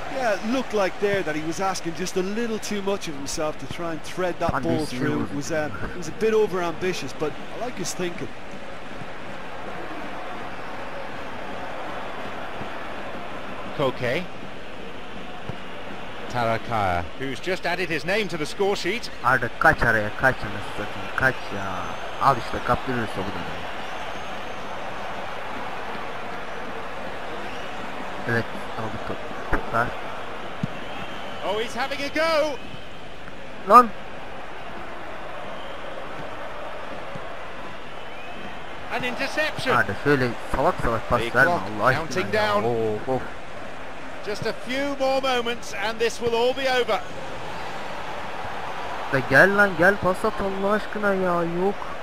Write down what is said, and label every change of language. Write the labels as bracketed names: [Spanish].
[English] Yeah, it looked like there that he was asking just a little too much of himself to try and thread that ball through. It was a bit over ambitious, but I like his thinking. Koke. Tarakaya. Who's just added his name to the score sheet. [Turkish] Arda, kaç araya, kaç anasını, kaç ya. Al işte kaptırırız o kadar. Evet, aldık toplar. [English] Oh, he's having a go. [Turkish] Lan. [English] An interception. [Turkish] Hadi şöyle salak salak pas verme Allah aşkına. Oh, oh. [English] Just a few more moments and this will all be over. [Turkish] Ya gel lan, gel pas at Allah aşkına ya, yok.